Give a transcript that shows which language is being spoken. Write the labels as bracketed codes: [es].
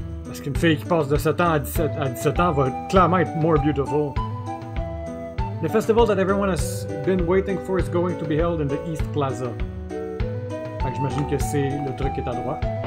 [fr] Est-ce qu'une fille qui passe de 7 ans à 17 ans va clairement être [en] more beautiful? The festival that everyone has been waiting for is going to be held in the East Plaza. [fr] Fait que j'imagine que c'est le truc qui est à droite.